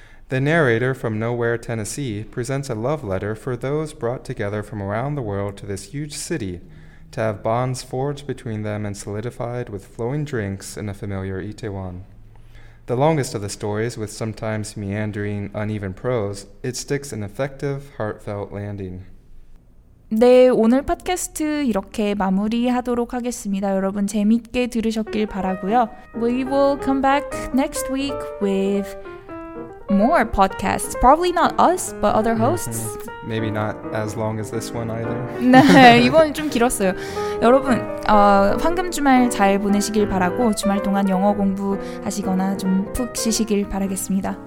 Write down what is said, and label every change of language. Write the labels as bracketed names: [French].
[English] The narrator from Nowhere, Tennessee, presents a love letter for those brought together from around the world to this huge city to have bonds forged between them and solidified with flowing drinks in a familiar Itaewon. The longest of the stories, with sometimes meandering, uneven prose, it sticks an effective, heartfelt landing. [Korean] 네, 오늘 팟캐스트 이렇게 마무리하도록 하겠습니다. 여러분 재밌게 들으셨길 바라고요. [English] We will come back next week with more podcasts. Probably not us, but other hosts. Maybe not as long as this one either. [Korean] 네, 이번은 좀 길었어요. 여러분, 황금 주말 잘 보내시길 바라고 주말 동안 영어 공부하시거나 좀 푹 쉬시길 바라겠습니다.